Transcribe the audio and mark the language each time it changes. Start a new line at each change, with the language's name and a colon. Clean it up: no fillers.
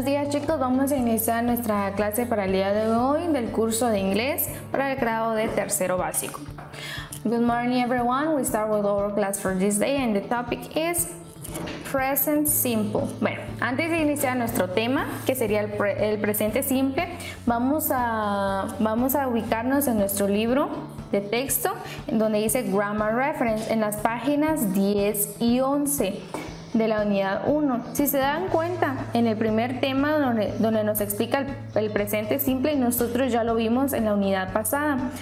Spanish: juntos vamos a iniciar nuestra clase para el día de hoy del curso de inglés para el grado de tercero básico.
English: Good morning everyone, we start with our class for this day and the topic is present simple.
Spanish: Bueno, antes de iniciar nuestro tema, que sería el presente simple, vamos a ubicarnos en nuestro libro de texto donde dice Grammar Reference en las páginas 10 y 11. De la unidad 1. Si se dan cuenta, en el primer tema donde nos explica el presente simple, nosotros ya lo vimos en la unidad pasada.